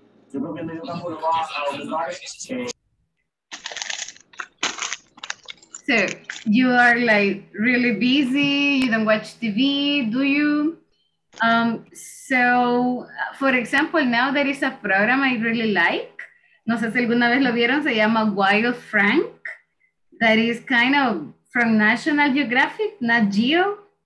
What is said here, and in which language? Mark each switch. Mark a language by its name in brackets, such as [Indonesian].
[English] So you are like really busy, you don't watch TV, do you? So for example, now there is a program I really like. [Spanish] No sé si alguna vez lo vieron, se llama Wild Frank. [English] That is kind of from National Geographic, not Geo.